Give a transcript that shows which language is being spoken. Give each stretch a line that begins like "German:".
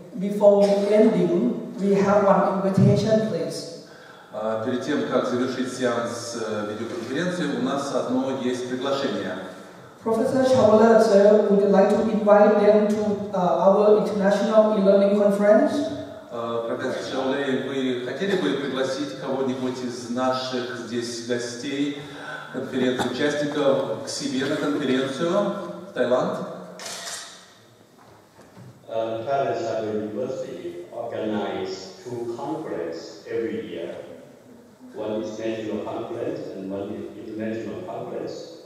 English: Before ending, we have one invitation, please.
Russian: Перед тем, как завершить сеанс видеоконференции, у нас одно есть приглашение.
English: Professor Chawla, sir, would you like to invite them to our international e-learning conference?
Russian: Professor Chawla, вы хотели бы пригласить кого-нибудь из наших здесь гостей, конференции, участников к себе на конференцию в Таиланд?
English: Thailand Cyber University organizes two conferences every year. One is national conference and one is international conference.